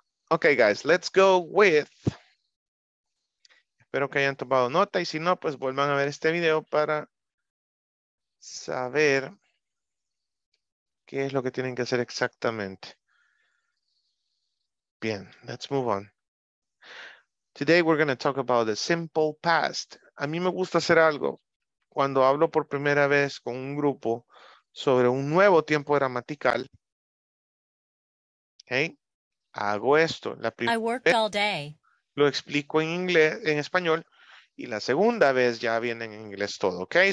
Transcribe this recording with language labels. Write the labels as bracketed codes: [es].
[en] Ok, guys, let's go with. [es] Espero que hayan tomado nota y si no, pues vuelvan a ver este video para saber qué es lo que tienen que hacer exactamente. Bien, [en] let's move on. Today we're going to talk about the simple past. [es] A mí me gusta hacer algo cuando hablo por primera vez con un grupo sobre un nuevo tiempo gramatical. ¿Okay? Hago esto. [en] I worked all day. [es] Lo explico en inglés, en español, y la segunda vez ya viene en inglés todo. ¿Okay?